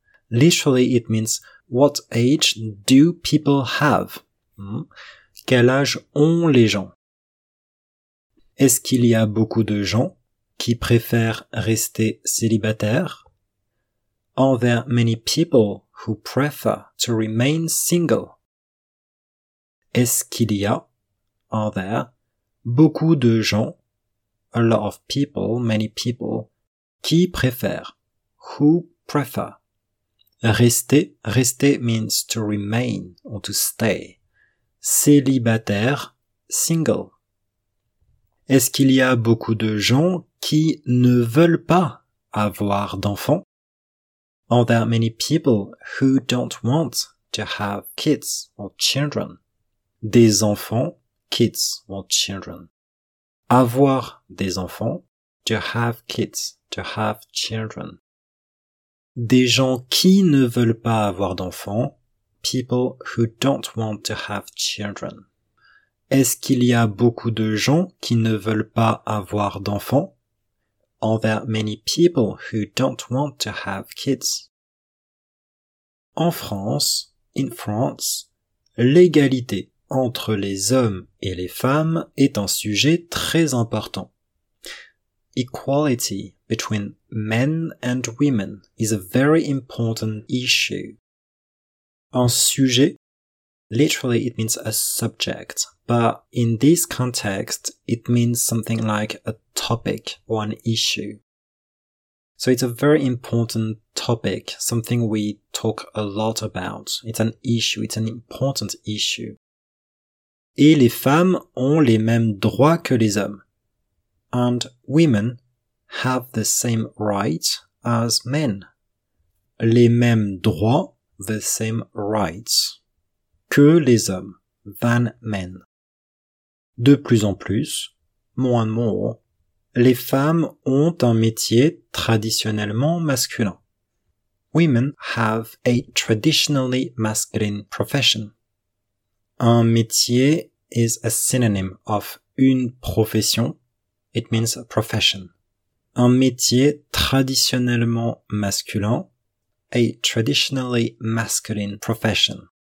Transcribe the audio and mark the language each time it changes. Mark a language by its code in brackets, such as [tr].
[en] Literally it means, what age do people have? [fr] Quel âge ont les gens? Est-ce qu'il y a beaucoup de gens qui préfèrent rester célibataires? [en] Are there many people who prefer to remain single? [fr] Est-ce qu'il y a, [en] are there, [fr] beaucoup de gens, [en] a lot of people, many people, [fr] qui préfèrent, [en] who prefer. Rester means to remain or to stay. Célibataire, single. [fr] Est-ce qu'il y a beaucoup de gens qui ne veulent pas avoir d'enfants? [en] Are there many people who don't want to have kids or children? [fr] Des enfants, [en] kids or children. [fr] Avoir des enfants, [en] to have kids, to have children. [fr] Des gens qui ne veulent pas avoir d'enfants, [en] people who don't want to have children. [fr] Est-ce qu'il y a beaucoup de gens qui ne veulent pas avoir d'enfants? [en] Are there many people who don't want to have kids? [fr] En France, [en] in France, [fr] l'égalité entre les hommes et les femmes est un sujet très important. [en] Equality between men and women is a very important issue. Un sujet, literally it means a subject, but in this context it means something like a topic or an issue. So it's a very important topic, something we talk a lot about. It's an issue, it's an important issue. [fr] Et les femmes ont les mêmes droits que les hommes. [en] And women have the same rights as men. [fr] Les mêmes droits, [en] the same rights. [fr] Que les hommes, [en] than men. [fr] De plus en plus, [en] more and more, [fr] les femmes ont un métier traditionnellement masculin. [en] Women have a traditionally masculine profession. Un métier is a synonym of une profession, it means a profession, [fr] un métier traditionnellement masculin, [en] a traditionally masculine profession.